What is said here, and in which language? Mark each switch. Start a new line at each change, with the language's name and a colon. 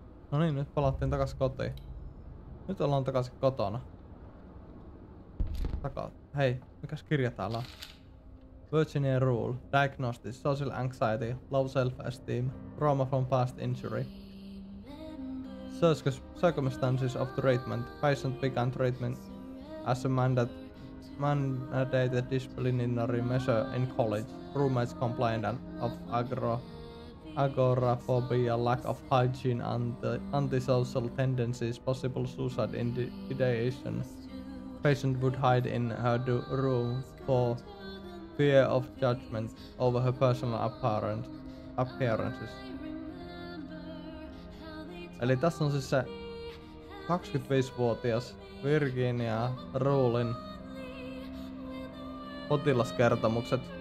Finnish: No niin, nyt palattiin takas kotiin. Nyt ollaan takaisin kotona. Hei, mikäs kirja täällä on?
English: Virginia Rule, Diagnosis, Social Anxiety, Low Self-Esteem, Trauma from Past Injury. Circumstances of treatment. Patient began treatment as a mandated disciplinary measure in college. Roommates complained of agoraphobia, lack of hygiene, and antisocial tendencies, possible suicide ideation. Patient would hide in her room for fear of judgment over her personal appearances.
Finnish: Eli tässä on siis se 25-vuotias Virginia Rulin potilaskertomukset.